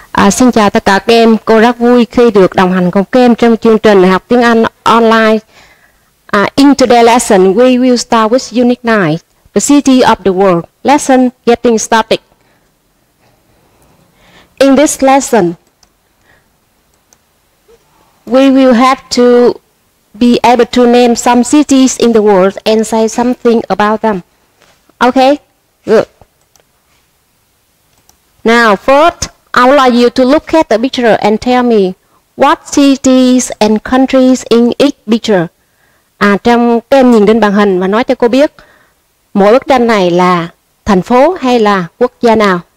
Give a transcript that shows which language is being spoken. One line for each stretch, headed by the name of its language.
Vietnamese: Xin chào tất cả các em, cô rất vui khi được đồng hành cùng các em trong chương trình học tiếng Anh online.
English: In today's lesson, we will start with Unit 9, The City of the World, Lesson Getting Started. In this lesson, we will have to be able to name some cities in the world and say something about them. Okay? Good. Now, first, I would like you to look at the picture and tell me what cities and countries in each picture.
Vietnamese: Trong các em nhìn lên màn hình và nói cho cô biết mỗi bức tranh này là thành phố hay là quốc gia nào.